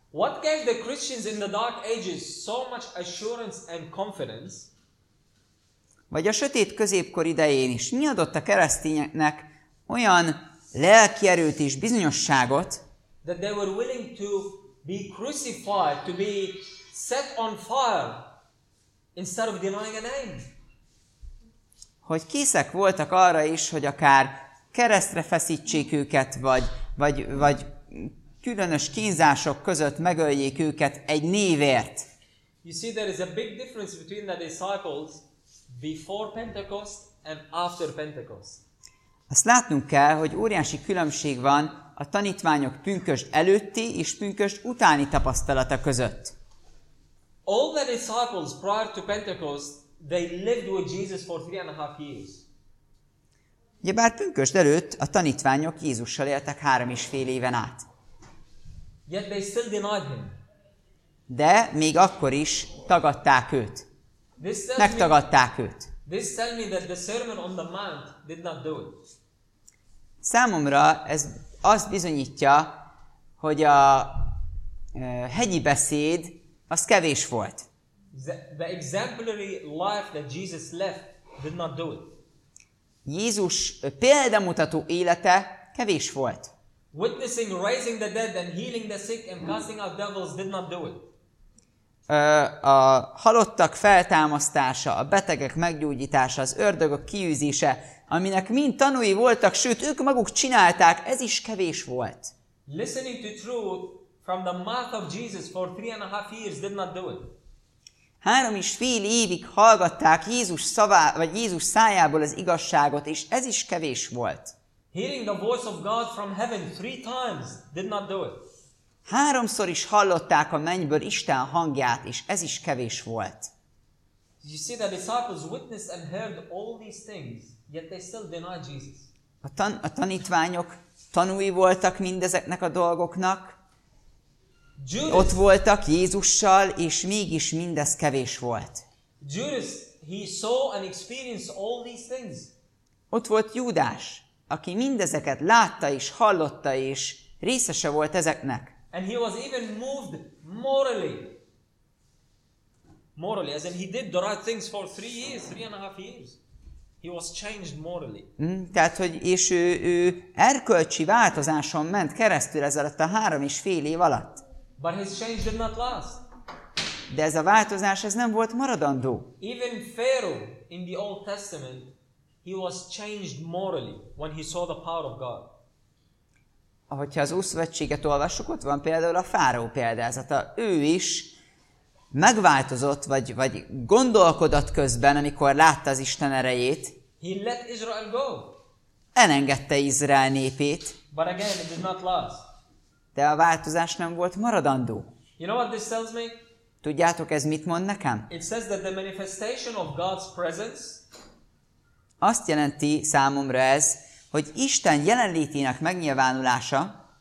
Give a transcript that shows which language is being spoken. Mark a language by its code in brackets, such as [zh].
[en] What gave the Christians in the dark ages so much assurance and confidence? [hu] Vagy a sötét középkor idején is mi adott a keresztényeknek olyan lelki erőt és bizonyosságot, [en] that they were willing to be crucified, to be set on fire? Instead of denying a name. [hu] Hogy készek voltak arra is, hogy akár keresztre feszítsék őket, vagy különös kínzások között megöljék őket egy névért. [en] You see, there is a big difference between the disciples before Pentecost and after Pentecost. [hu] Azt látnunk kell, hogy óriási különbség van a tanítványok pünkösd előtti és pünkösd utáni tapasztalata között. [en] All the disciples prior to Pentecost, they lived with Jesus for 3.5 years. [hu] Ugyebár pünkösd előtt a tanítványok Jézussal éltek 3.5 éven át. [en] Yet they still denied him. [hu] De még akkor is tagadták őt. Megtagadták őt. [en] This tells me that the Sermon on the Mount did not do it. [hu] Számomra ez azt bizonyítja, hogy a hegyi beszéd az kevés volt. [en] The exemplary life that Jesus left did not do it. [hu] Jézus példamutató élete kevés volt. [en] Witnessing raising the dead and healing the sick and casting out devils did not do it. [hu] A halottak feltámasztása, a betegek meggyógyítása, az ördögök kiűzése, aminek mind tanúi voltak, sőt, ők maguk csinálták, ez is kevés volt. [en] Listening to truth from the mouth of Jesus for 3.5 years did not do it. [hu] 3.5 évig hallgatták Jézus szavá, vagy Jézus szájából az igazságot, és ez is kevés volt. [en] Hearing the voice of God from heaven 3 times did not do it. [hu] 3-szor is hallották a mennyből Isten hangját, és ez is kevés volt. [en] You see, the disciples witnessed and heard all these things, yet they still deny Jesus. [hu] A tanítványok tanúi voltak mindezeknek a dolgoknak. [en] Judas, [hu] ott voltak Jézussal, és mégis mindez kevés volt. [en] Judas, he saw and experienced all these things. [hu] Ott volt Júdás, aki mindezeket látta és hallotta, és részese volt ezeknek. [en] And he was even moved morally. Morally, as in he did the right things for 3 years, 3.5 years. He was changed morally. [hu] Tehát, hogy és ő erkölcsi változáson ment keresztül ez alatt a 3.5 év alatt. [en] But his change did not last. [hu] De ez a változás, ez nem volt maradandó. [en] Even Pharaoh in the Old Testament, he was changed morally when he saw the power of God. [hu] Ahogyha az Ószövetséget olvassuk, ott van például a fáraó példázata. Ő is megváltozott, vagy gondolkodott közben, amikor látta az Isten erejét. [en] He let Israel go. [hu] Elengedte Izrael népét. [en] But again, it did not last. [hu] De a változás nem volt maradandó. [en] You know what this tells me? [hu] Tudjátok, ez mit mond nekem? [en] It says that the manifestation of God's presence. [hu] Azt jelenti számomra ez, hogy Isten jelenlétének megnyilvánulása,